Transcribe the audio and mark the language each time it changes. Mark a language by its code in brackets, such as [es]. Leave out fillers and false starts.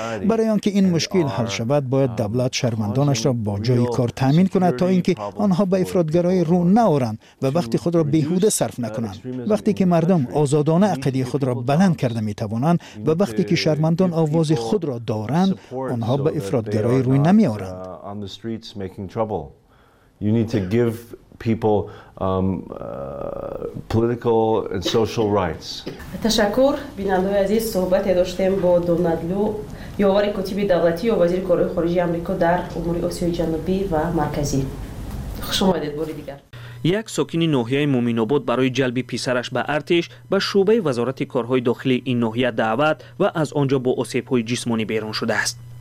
[fa] برای آنکه این مشکل حل شود، باید دولت شهروندانش را با جای کار تامین کند تا اینکه آنها به افراطگرایی رو نآورند و وقت خود را بیهوده صرف نکنند. وقتی که مردم آزادانه عقیده خود را بلند کرده می توانند و وقتی که شهروندان آواز خود را دارند، آنها به افراط‌گرایی روی نمی آورند. [en] You need to give people political and social rights. [fa] تشکر بیننده عزیز، صحبت داشتیم با دونالدلو یووری کتیب دولتی و وزیر کارهای خارجی آمریکا در امور آسیای جنوبی و مرکزی. خوش اومدید بار دیگر. یک ساکن ناحیه مومین‌آباد برای جلب پسرش به ارتش به شعبه وزارت کارهای داخلی این ناحیه دعوت و از آنجا با آسیب‌های جسمانی بیرون شده است.